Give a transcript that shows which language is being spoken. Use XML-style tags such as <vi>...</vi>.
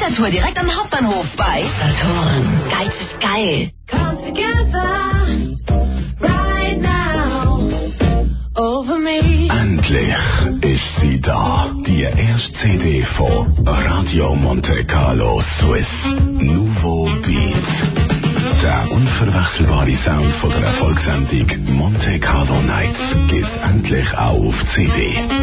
<de>Direkt am Hauptbahnhof bei Saturn. Geiz ist geil.</de> <en>Come together right now over me.</en> <de>Endlich ist sie da. Die erste CD von Radio Monte Carlo Swiss. Nouveau Beat. Der unverwechselbare Sound von der Erfolgssendung Monte Carlo Nights gibt's endlich auch auf CD.</de>